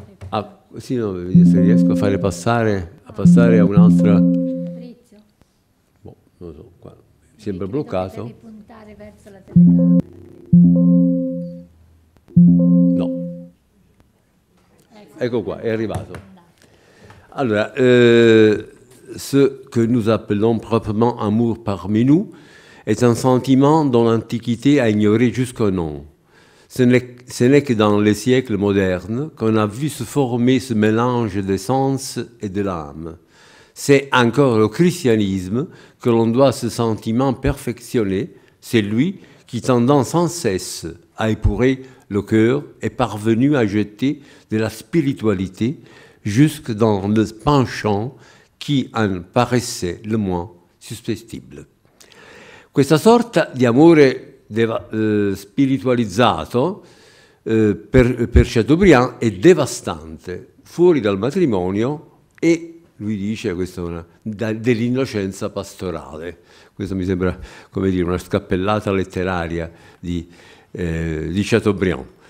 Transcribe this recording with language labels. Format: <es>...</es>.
<it>Ah, sì, no, se riesco a fare passare a un'altra. Boh, non lo so, qua. Mi sembra bloccato. Devi puntare verso la telecamera. No. Ecco qua, è arrivato.</it> <fr>Allora, ce que nous appelons proprement amour parmi nous est un sentiment dont l'Antiquité a ignoré jusqu'au nom. Ce n'est que dans les siècles modernes qu'on a vu se former ce mélange des sens et de l'âme. C'est encore au christianisme que l'on doit ce sentiment perfectionné, c'est lui qui, tendant sans cesse à épurer le cœur, est parvenu à jeter de la spiritualité jusque dans le penchant qui en paraissait le moins suspectible.</fr> <it>Questa sorta di amore spiritualizzato per Chateaubriand è devastante. Fuori dal matrimonio, e lui dice, questa è una dell'innocenza pastorale. Questo mi sembra, come dire, una scappellata letteraria di Chateaubriand.</it>